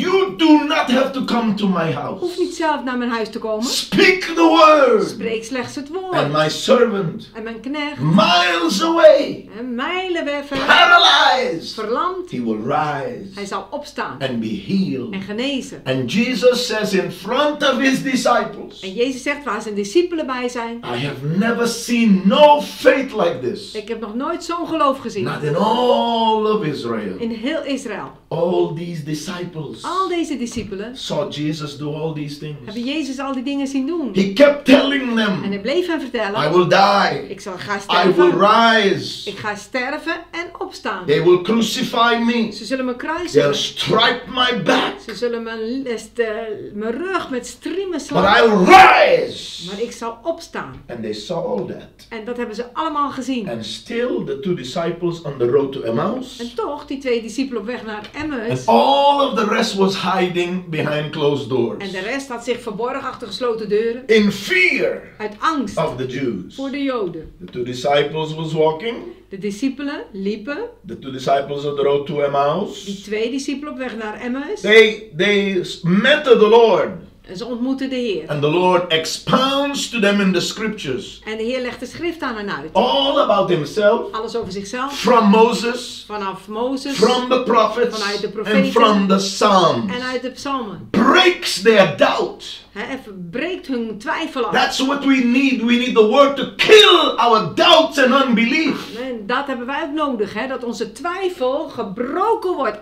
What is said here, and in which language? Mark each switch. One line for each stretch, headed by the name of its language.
English: You do not have to come to my house.
Dutch: Hoeft niet zelf naar mijn huis te komen.
English: Speak the word.
Dutch: Spreek slechts het woord.
English: And my servant.
Dutch: En mijn knecht.
English: Miles away.
Dutch: En mijlen weg.
English: Paralyzed.
Dutch: Verlamd.
English: He will rise.
Dutch: Hij zal opstaan.
English: And be healed.
Dutch: En genezen.
English: And Jesus says in front of his disciples.
Dutch: En Jezus zegt waar zijn discipelen bij zijn.
English: I have never seen no faith like this.
Dutch: Ik heb nog nooit zo'n geloof gezien.
English: Not in all of Israel.
Dutch: In heel Israël.
English: All these disciples.
Dutch: Al deze discipelen.
English: Saw Jesus do all these things.
Dutch: Hebben Jezus al die dingen zien doen.
English: He kept telling them.
Dutch: En hij bleef hen vertellen.
English: I will die.
Dutch: Ik zal gaan sterven.
English: I will rise.
Dutch: Ik ga sterven en opstaan.
English: They will crucify me.
Dutch: Ze zullen me kruisen.
English: They'll stripe my back.
Dutch: Ze zullen mijn rug met striemen slaan.
English: But I will rise.
Dutch: Maar ik zal opstaan.
English: And they saw all that.
Dutch: En dat hebben ze allemaal gezien.
English: And still the two disciples on the road to Emmaus.
Dutch: En toch die twee discipelen op weg naar Emmaus.
English: And all of the rest was hiding behind closed doors.
Dutch: En de rest had zich verborgen achter gesloten deuren.
English: In fear.
Dutch: Uit angst.
English: Of the Jews.
Dutch: Voor de Joden.
English: The two disciples was walking.
Dutch: De discipelen liepen.
English: The two disciples on the road to Emmaus.
Dutch: Die twee discipelen op weg naar Emmaus.
English: They met the Lord.
Dutch: En ze ontmoeten de Heer.
English: And the Lord expounds to them in the scriptures.
Dutch: En de Heer legt de schrift aan hen uit.
English: All about himself.
Dutch: Alles over zichzelf.
English: From Moses.
Dutch: Vanaf Mozes.
English: From the prophets.
Dutch: Vanuit de profeten.
English: And from the Psalms.
Dutch: En uit de psalmen.
English: Breaks their doubt.
Dutch: Breekt hun twijfel af.
English: That's what we need. We need the word to kill our doubts and unbelief.
Dutch: En dat hebben wij ook nodig. Hè? Dat onze twijfel gebroken wordt.